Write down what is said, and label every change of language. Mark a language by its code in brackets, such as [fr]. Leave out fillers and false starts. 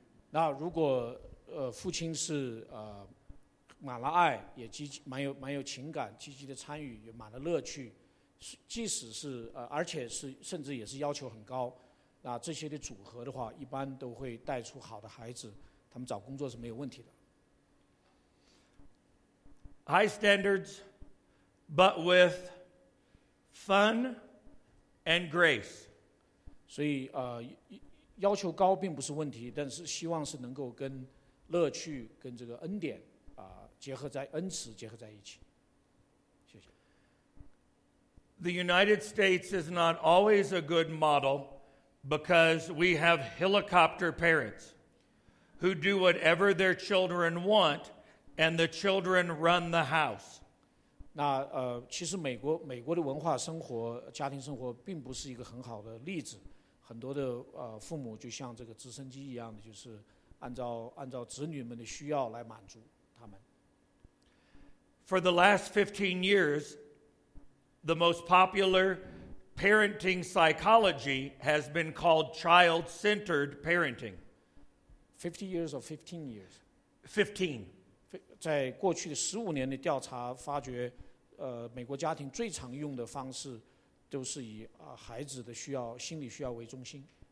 [zh] 那如果父亲是满了爱，也积极，蛮有情感，积极的参与，也满了乐趣，即使是而且是甚至也是要求很高。那这些的组合的话一般都会带出好的孩子他们找工作是没有问题的 [en] High standards but with fun and grace [zh] 所以要求高并不是问题但是希望是能够跟乐趣跟这个恩典结合在恩慈结合在一起谢谢 [en] The United States is not always a good modelBecause we have helicopter parents who do whatever their children want and the children run the house. [zh] 那其实美国的文化生活家庭生活并不是一个很好的例子很多的父母就像这个直升机一样的就是按照子女们的需要来满足他们。 [en] For the last 15 years, the most popularParenting psychology has been called child-centered parenting. 50 years or 15 years? 15. [zh] 在过去的15年的调查发觉美国家庭最常用的方式都是以孩子的需要心理需要为中心。